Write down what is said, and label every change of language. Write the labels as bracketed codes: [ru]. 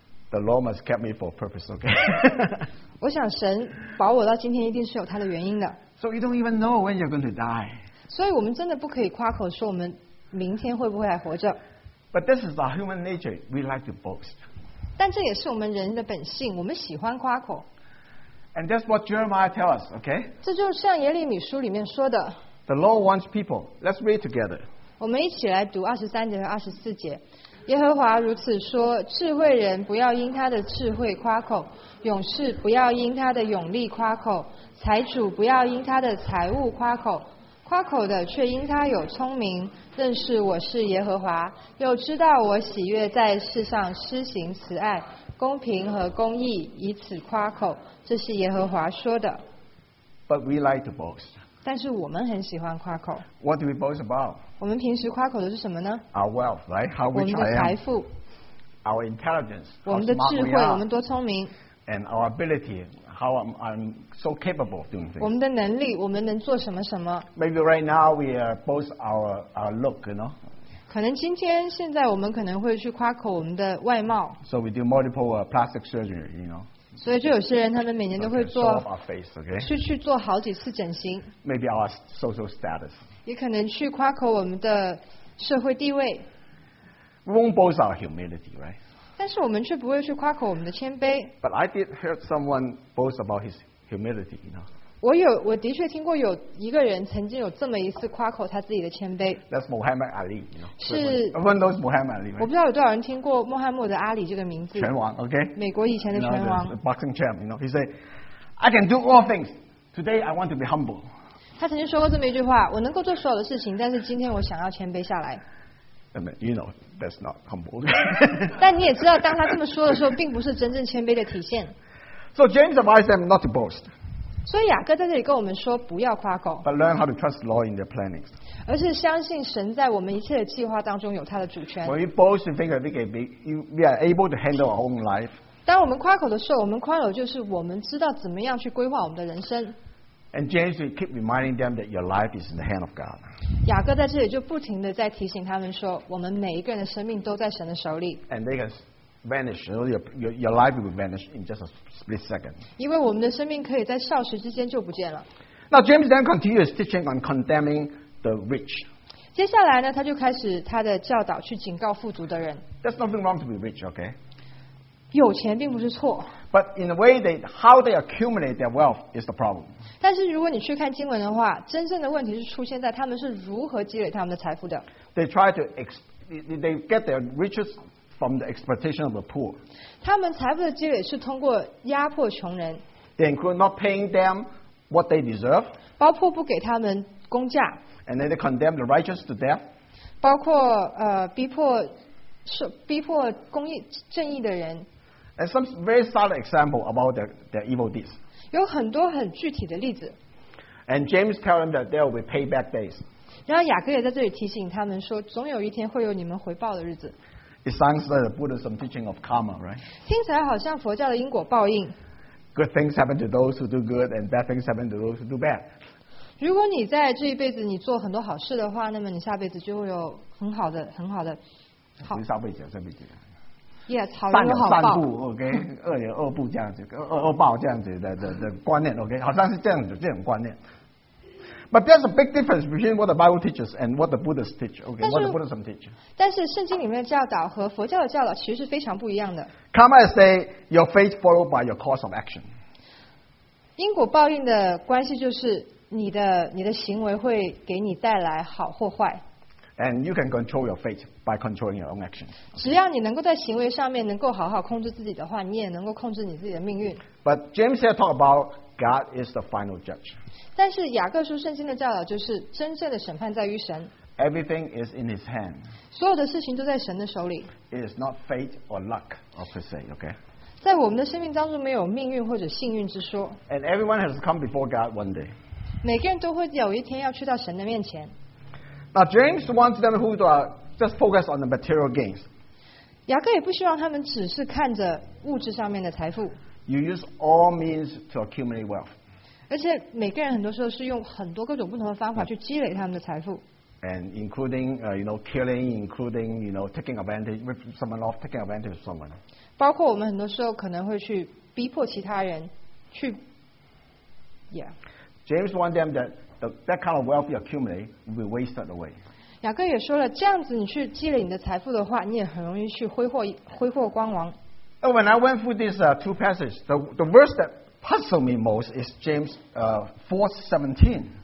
[en] The Lord has kept me for a purpose, okay? [zh] 我想神保我到今天一定是有他的原因的。 [en] So you don't even know when you're going to die. [zh] 所以我们真的不可以夸口说我们明天会不会还活着。 [en] But this is our human nature. We like to boast. [zh] 但这也是我们人的本性，我们喜欢夸口。 [en] And that's what Jeremiah tells us, okay? [zh] 这就像耶利米书里面说的。 [en] The Lord wants people. Let's read together. [zh] 我们一起来读23节和24节。耶和华如此说：智慧人不要因他的智慧夸口，勇士不要因他的勇力夸口，财主不要因他的财物夸口。夸口的却因他有聪明，认识我是耶和华，又知道我喜悦在世上施行慈爱、公平和公义，以此夸口。这是耶和华说的。 [en] But we like to boast. [zh] 但是我们很喜欢夸口。 [en] What do we boast about? [zh] 我们平时夸口的是什么呢 [en] ？Our wealth, right? How rich I am. [zh] 我们的财富。 [en] Our intelligence. [zh] 我们的智慧，我们多聪明。 [en] And our ability. How I'm so capable of doing things. [zh] 我们的能力，我们能做什么什么 [en] ？Maybe right now we are boast our look, you know. [zh] 可能今天现在我们可能会去夸口我们的外貌。 [en] So we do multiple plastic surgery, you know. [zh] 所以就有些人他们每年都会做 [en] okay, show off our face, okay. [zh] 去做好几次整形。 [en] Maybe our social status. [zh] 也可能去夸口我们的社会地位。 [en] We won't boast our humility, right? [zh] 但是我们却不会去夸口我们的谦卑。 [en] But I did hear someone boast about his humility, you know. [zh] 我的确听过有一个人曾经有这么一次夸口他自己的谦卑。 [en] That's Muhammad Ali, you know. [zh] 是 [en] ，One of those Muhammad Ali.、Right? [zh] 我不知道有多少人听过穆罕默德阿里这个名字。拳王 ，OK. 美国以前的拳王。 [en] You know, the boxing champ, you know. He said, "I can do all things. Today, I want to be humble." [zh] 他曾经说过这么一句话：我能够做所有的事情，但是今天我想要谦卑下来。 [en] I mean, you know, that's not humble. [zh] 但你也知道，当他这么说的时候，并不是真正谦卑的体现。 [en] So James advised them not to boast. [zh] 所以雅各在这里跟我们说，不要夸口。 [en] But learn how to trust the Lord in their planning. [zh] 而是相信神在我们一切的计划当中有他的主权。 [en] When we boast and think that we are able to handle our own life. [zh] 当我们夸口的时候，我们夸口就是我们知道怎么样去规划我们的人生。 [en] And James will keep reminding them that your life is in the hand of God. [zh] 雅各在这里就不停的在提醒他们说，我们每一个人的生命都在神的手里。 [en] And they can vanish. Your life will vanish in just a split second. [zh] 因为我们的生命可以在霎时之间就不见了。 [en] Now James then continues teaching on condemning the rich. [zh] 接下来呢，他就开始他的教导，去警告富足的人。 [en] There's nothing wrong to be rich, okay? [zh] 有钱并不是错。 [en] But in a way, how they accumulate their wealth is the problem. [zh] 但是如果你去看经文的话，真正的问题是出现在他们是如何积累他们的财富的。 [en] They try to they get their riches from the exploitation of the poor. [zh] 他们财富的积累是通过压迫穷人。 [en] They include not paying them what they deserve. [zh] 包括不给他们工价。 [en] And then they condemn the righteous to death. [zh] 包括逼迫公义正义的人。 [en] And some very solid example about their evil deeds. [zh] 有很多很具体的例子。 [en] And James tells them that there will be payback days. [zh] 然后雅各也在这里提醒他们说，总有一天会有你们回报的日子。 [en] It sounds like the Buddhism teaching of karma, right? [zh] 听起来好像佛教的因果报应。 [en] Good things happen to those who do good, and bad things happen to those who do bad. [zh] 如果你在这一辈子你做很多好事的话，那么你下辈子就会有很好的。好。不是下辈子，这辈子。 Yes, 好人有好报。善步 ，OK， 恶有恶步，这样子，恶报这样子的观念 ，OK， 好像是这样子这种观念。 [en] But there's a big difference between what the Bible teaches and what the Buddhists teach, OK? What the Buddhism teach? [zh] 但是圣经里面的教导和佛教的教导其实是非常不一样的。 [en] Karma is a your fate followed by your course of action. [zh] 因果报应的关系就是你的行为会给你带来好或坏。 [en] And you can control your fate by controlling your own actions. [zh] 只要你能够在行为上面能够好好控制自己的话，你也能够控制你自己的命运。 [en] But James here talk about God is the final judge. [zh] 但是雅各书圣经的教导就是真正的审判在于神。 [en] Everything is in His hand. [zh] 所有的事情都在神的手里。 [en] It is not fate or luck, or per se, okay? [zh] 在我们的生命当中没有命运或者幸运之说。 [en] And everyone has come before God one day. [zh] 每个人都会有一天要去到神的面前。 [en] Now James wants them who are just focus on the material gains. [zh] 雅各也不希望他们只是看着物质上面的财富。 [en] You use all means to accumulate wealth. [zh] 而且每个人很多时候是用很多各种不同的方法去积累他们的财富。 [en] And including, you know, killing, including, you know, taking advantage with someone off, taking advantage of someone. [zh] 包括我们很多时候可能会去逼迫其他人去 ，Yeah. [en] James warned them that that kind of wealth you accumulate will be wasted away. [zh] 雅各也说了，这样子你去积累你的财富的话，你也很容易去挥霍光芒。 [en] And when I went through these two passages, the verse that puzzled me most is James 4:17.